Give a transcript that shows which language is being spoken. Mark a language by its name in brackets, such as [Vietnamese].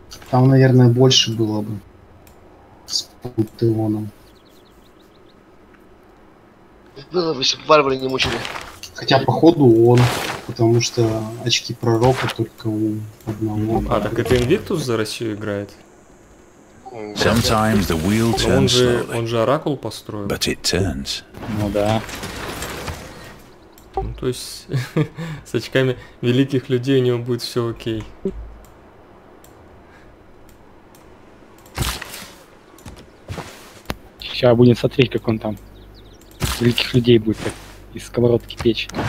[Russian] Там, наверное, больше было бы. С пантеоном. Было бы, если бы варвары не мучили. Хотя, походу, он. Потому что очки пророка только у одного. А, так это Invictus за Россию играет? [English] Sometimes the wheel turns slowly. [Russian] Он же Оракул построил. [English] But it turns. [Russian] Ну да. Ну, то есть, с очками великих людей у него будет все окей. Сейчас будем смотреть, как он там великих людей будет так, из сковородки печь.